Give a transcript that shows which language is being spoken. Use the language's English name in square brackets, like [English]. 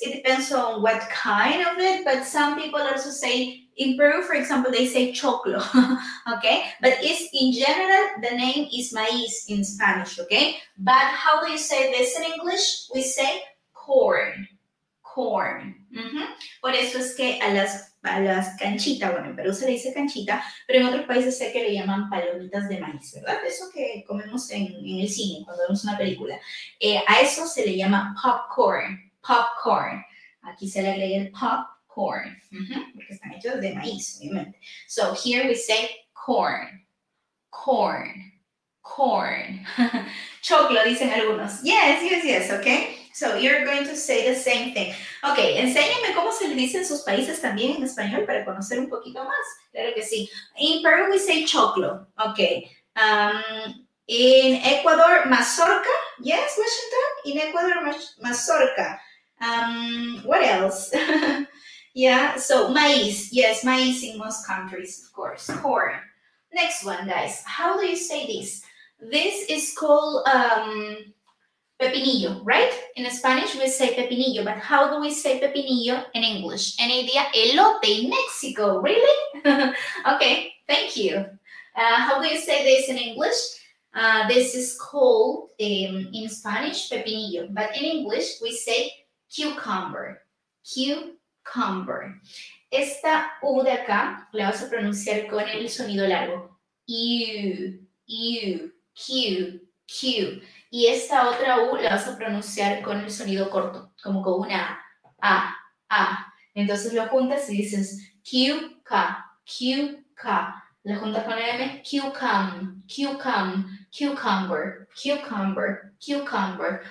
[English] It depends on what kind of it, but some people also say in Peru, for example, they say choclo, okay? But it's, in general, the name is maíz in Spanish, okay? But how do you say this in English? We say corn, corn. Mm-hmm. [Spanish] Por eso es que a las canchitas, bueno, en Perú se le dice canchita, pero en otros países sé que le llaman palomitas de maíz, ¿verdad? Eso que comemos en el cine cuando vemos una película. A eso se le llama popcorn, popcorn. Aquí se le agrega el pop. Corn, mm-hmm. Porque están hechos de maíz, obviamente. [English] So here we say corn, corn, corn. [Spanish] Choclo, dicen algunos. [English] Yes, yes, yes, okay? So you're going to say the same thing. [Spanish] Okay, enséñame cómo se le dice en sus países también en español para conocer un poquito más. Claro que sí. [English] In Peru we say choclo, okay. In Ecuador, mazorca. Yes, Washington? In Ecuador, mazorca. What else? Yeah, so maíz. Yes, maíz in most countries, of course. Corn. Next one, guys. How do you say this? This is called pepinillo, right? In Spanish, we say pepinillo, but how do we say pepinillo in English? Any idea? Elote in Mexico, really? Okay, thank you. How do you say this in English? This is called, in Spanish, pepinillo, but in English, we say cucumber. Cucumber. cucumber. [Spanish] Esta U de acá la vas a pronunciar con el sonido largo. U, Q. Y esta otra U la vas a pronunciar con el sonido corto, como con una A, A, A. Entonces lo juntas y dices Q-K. La juntas con la M, cucumber.